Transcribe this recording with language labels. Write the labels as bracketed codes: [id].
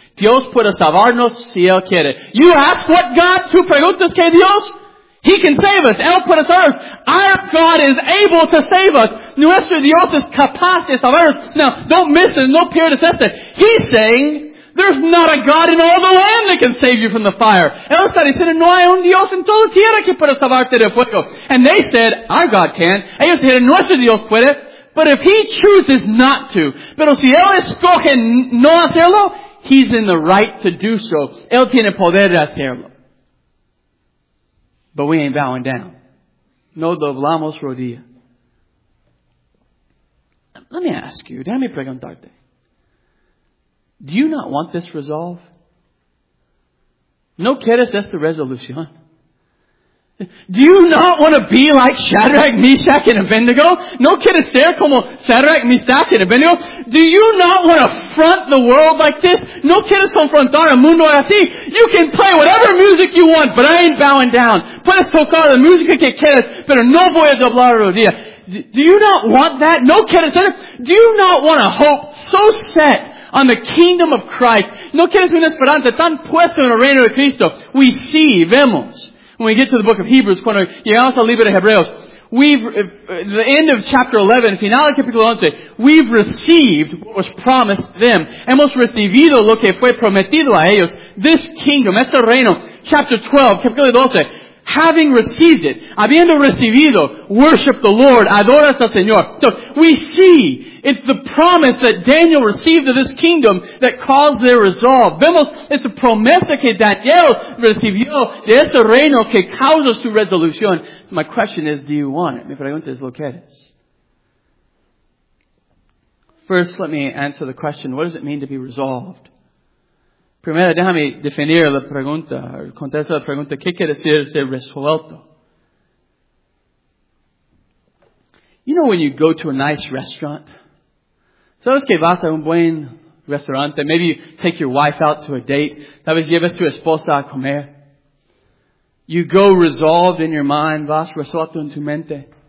[es] Dios puede salvarnos si Él quiere. [en] You ask what God, [es] tú preguntas que Dios, [en] He can save us. [es] Él puede salvarnos. [en] Our God is able to save us. [es] Nuestro Dios es capaz de salvarnos. [en] Now, don't miss it. [es] No pierdas esto. [en] He's saying, there's not a God in all the land that can save you from the fire. [es] Él está diciendo, no hay un Dios en toda tierra que pueda salvarte del fuego. [en] And they said, our God can. [es] Ellos dijeron, nuestro Dios puede. [en] But if he chooses not to, [es] pero si él escoge no hacerlo, [en] he's in the right to do so. [es] Él tiene poder de hacerlo. [en] But we ain't bowing down. [es] No doblamos rodilla. [en] Let me ask you, [es] déjame preguntarte. [en] Do you not want this resolve? [es] ¿No quieres esta resolución? [en] Do you not want to be like Shadrach, Meshach, and Abednego? [es] ¿No quieres ser como Shadrach, Meshach, and Abednego? [en] Do you not want to front the world like this? [es] ¿No quieres confrontar el mundo así? [en] You can play whatever music you want, but I ain't bowing down. [es] Puedes tocar la música que quieres, pero no voy a doblar rodillas. [en] Do you not want that? [es] ¿No quieres ser? [en] Do you not want a hope so set on the kingdom of Christ? [es] ¿No quieres una esperanza tan puesta en el reino de Cristo? [en] We see, [es] vemos. [en] When we get to the book of Hebrews, [es] cuando llegamos al libro de Hebreos, [en] the end of chapter 11, [es] final de capítulo 11, [en] we've received what was promised them. [es] Hemos recibido lo que fue prometido a ellos. [en] This kingdom, [es] este reino, [en] chapter 12, [es] capítulo 12, [en] having received it, [es] habiendo recibido, [en] worship the Lord, [es] adoras al Señor. [en] So we see it's the promise that Daniel received of this kingdom that caused their resolve. [es] Vemos, es la promesa que Daniel recibió de este reino que causa su resolución. [en] So my question is, do you want it? [es] Mi pregunta es, ¿lo quieres? [en] First, let me answer the question, what does it mean to be resolved? [es] Primero, déjame definir la pregunta, contestar la pregunta, ¿qué quiere decir ser resuelto? [en] You know when you go to a nice restaurant? [es] ¿Sabes que vas a un buen restaurante? [en] Maybe you take your wife out to a date. [es] Tal vez lleves tu esposa a comer. [en] You go resolved in your mind, [es] vas resuelto en tu mente.